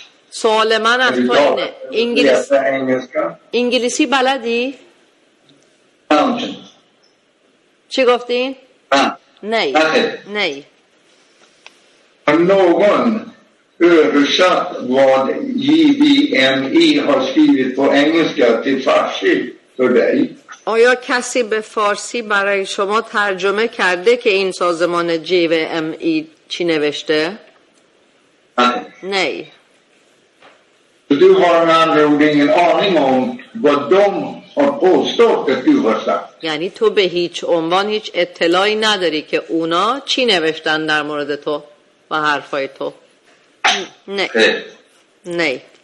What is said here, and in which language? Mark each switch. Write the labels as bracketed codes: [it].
[fa] سوال من از تو اینه انگلیسی بلدی؟ چی گفتین؟ نه. نه. [sv] Någon översatt vad JBME har skrivit på engelska till farsi för dig. [fa] آیا کسی به فارسی برای شما ترجمه کرده که این سازمان جی و ام ای چی نوشته؟ نه. نه. [sv] Du har med andra ord ingen aning om vad de har påstått att du har sagt. [fa] یعنی تو به هیچ عنوان هیچ اطلاعی نداری که اونا چی نوشتن در مورد تو و حرفای تو. نه. نه.